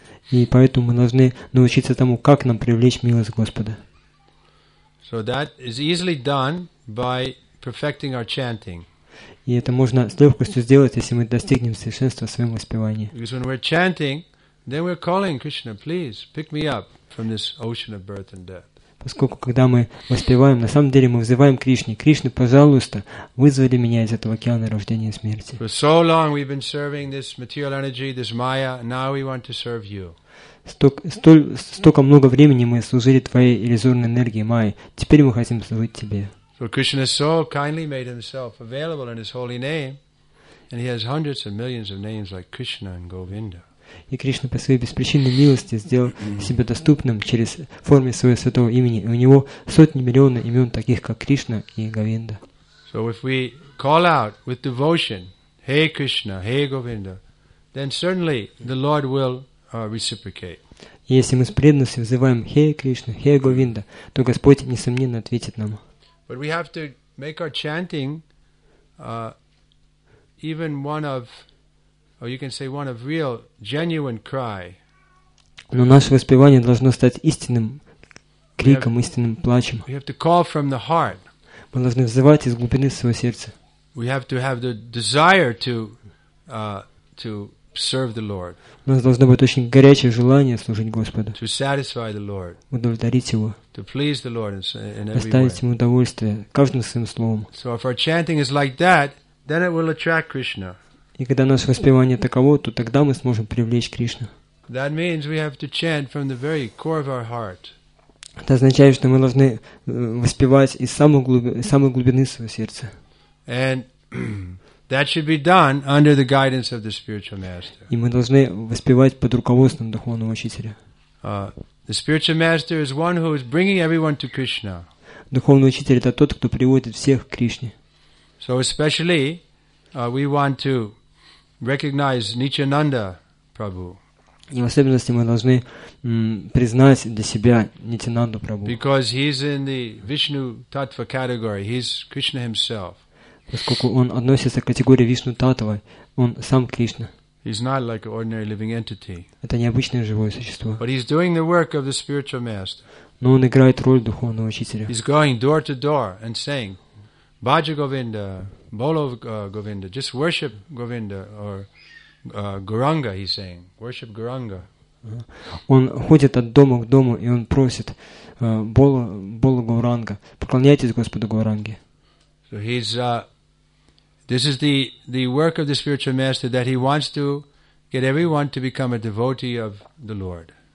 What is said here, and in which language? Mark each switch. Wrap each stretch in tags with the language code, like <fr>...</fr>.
<ru>И поэтому мы должны научиться тому, как нам привлечь милость Господа.</ru> <en>So that is easily done by perfecting our chanting.</en> <ru>И это можно с легкостью сделать, если мы достигнем совершенства в своем воспевании.</ru> <en>Because when we're chanting, then we're calling Krishna, please pick me up from this ocean of birth and death.</en> <ru>Поскольку когда мы воспеваем, на самом деле мы взываем Кришне, Кришна, пожалуйста, вызови меня из этого океана рождения и смерти.</ru> <en>For so long we've been serving this material energy, this Maya. Now we want to serve you.</en> <ru>Столько много времени мы служили твоей иллюзорной энергии Майи. Теперь мы хотим служить тебе.</ru> <en>For Krishna so kindly made himself available in his holy name, and he has hundreds of millions of names like Krishna and Govinda.</en> <ru>И Кришна по своей беспричинной милости сделал себя доступным через форме своего святого имени. И у него сотни миллионов имен, таких как Кришна и Говинда.</ru> <en>So if we call out with devotion, Hey Krishna, Hey Govinda, then certainly the Lord will reciprocate.</en> <ru>Если мы с преданностью взываем Hey Krishna, Hey Govinda, то Господь несомненно ответит нам.</ru> <en>But we have to make our chanting even one of, or you can say one of real genuine cry.</en> <ru>Но наше воспевание должно стать истинным криком, истинным плачем.</ru> <en>We have to call from the heart.</en> <ru>Мы должны взывать из глубины своего сердца.</ru> <en>We have to have the desire to serve the Lord.</en> <ru>У нас должно быть очень горячее желание служить Господу.</ru> <en>To satisfy the Lord.</en> <ru>Удовлетворить Его.</ru> <en>To please the Lord in every way.</en> <ru>Доставить Ему удовольствие каждым своим словом.</ru> <en>So if our chanting is like that, then it will attract Krishna.</en> <ru>И когда наше воспевание таково, то тогда мы сможем привлечь Кришну.</ru> <en>That means we have to chant from the very core of our heart.</en> <ru>Это означает, что мы должны воспевать из самой глубины своего сердца.</ru> <en>And that should be done under the guidance of the spiritual master.</en> <ru>И мы должны воспевать под руководством духовного учителя.</ru> <en>The spiritual master is one who is bringing everyone to Krishna.</en> <ru>Духовный учитель — это тот, кто приводит всех к Кришне.</ru> <en>So especially, we want to recognize Nityananda Prabhu.</en> <ru>И в особенности мы должны признать для себя Нитянанду Прабху.</ru> <en>Because he's in the Vishnu Tattva category, he's Krishna himself.</en> <ru>Поскольку он относится к категории Вишну Таттва, он сам Кришна.</ru> <en>He's not like an ordinary living entity.</en> <ru>Это необычное живое существо.</ru> <en>But he's doing the work of the spiritual master.</en> <ru>Но он играет роль духовного учителя.</ru> <en>He's going door to door and saying,</en> <bn>Bhaja Govinda, Bolo Govinda,</bn> <en>just worship Govinda or Guranga, he's saying, worship Guranga.</en> <ru>Он ходит от дома к дому и он просит Бола Гуранга, поклоняйтесь Господу Гуранге.</ru> <en>So he's this is the work of the spiritual master, that he wants to get everyone to become a devotee of the Lord.</en>